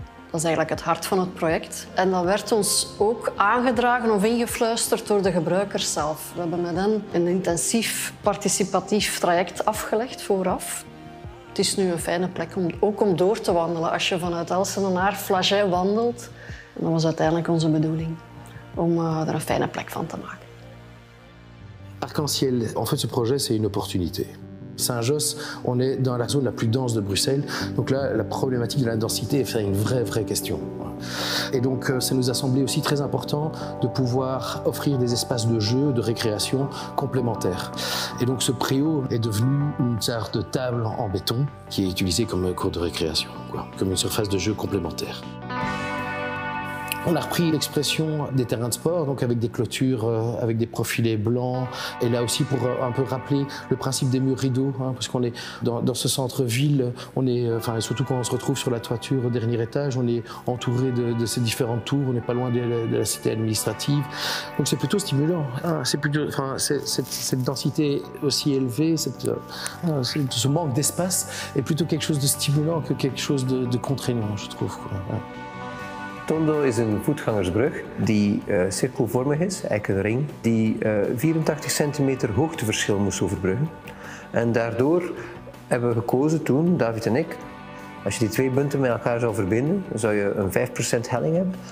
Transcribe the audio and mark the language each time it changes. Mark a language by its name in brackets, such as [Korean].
[Dutch] Dat is eigenlijk het hart van het project. En dat werd ons ook aangedragen of ingefluisterd door de gebruikers zelf. We hebben met hen een intensief participatief traject afgelegd vooraf. Het is nu een fijne plek om ook om door te wandelen. Als je vanuit Elselen naar Flaget wandelt, dat was uiteindelijk onze bedoeling om er een fijne plek van te maken. [French] Arc-en-ciel, en fait, ce projet, c'est une opportunité. Saint-Josse, on est dans la zone la plus dense de Bruxelles. Donc là, la problématique de la densité est une vraie question. Et donc, ça nous a semblé aussi très important de pouvoir offrir des espaces de jeu, de récréation complémentaires. Et donc, ce préau est devenu une sorte de table en béton qui est utilisée comme cours de récréation, quoi, comme une surface de jeu complémentaire. On a repris l'expression des terrains de sport, donc avec des clôtures, avec des profilés blancs. Et là aussi, pour un peu rappeler le principe des murs rideaux, hein, parce qu'on est dans ce centre-ville, enfin, surtout quand on se retrouve sur la toiture au dernier étage, on est entouré de ces différentes tours, on n'est pas loin de la cité administrative. Donc c'est plutôt stimulant. Hein, c'est plutôt, enfin, cette densité aussi élevée, ce manque d'espace est plutôt quelque chose de stimulant que quelque chose de contraignant, je trouve. Quoi, hein. [Dutch] Tondo is een voetgangersbrug die cirkelvormig is, eigenlijk een ring, die 84 centimeter hoogteverschil moest overbruggen. En daardoor hebben we gekozen toen, David en ik, als je die twee punten met elkaar zou verbinden, zou je een 5% helling hebben.